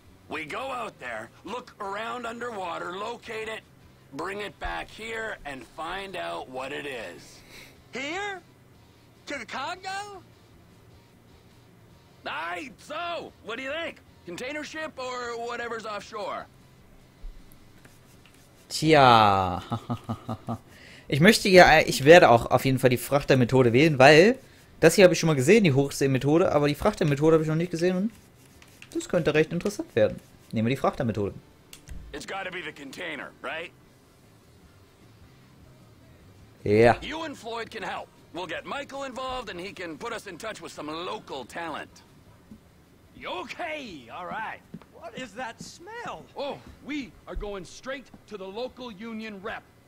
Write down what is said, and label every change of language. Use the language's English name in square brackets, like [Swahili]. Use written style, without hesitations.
[English] We go out there, look around underwater, locate it, bring it back here, and find out what it is. Here? To the Congo? Aye, so, what do you think? Container ship or whatever's offshore? [German] Tja, ich möchte ja, ich werde auch auf jeden Fall die Frachtermethode wählen, weil das hier habe ich schon mal gesehen, die Hochseemethode, aber die Frachtermethode habe ich noch nicht gesehen und das könnte recht interessant werden. Nehmen wir die Frachtermethode. [English] It's gotta be the container, right? Yeah. You and Floyd can help. We'll get Michael involved and he can put us in touch with some local talent. Okay, all right. What is that smell? Oh, we are going straight to the local union rep.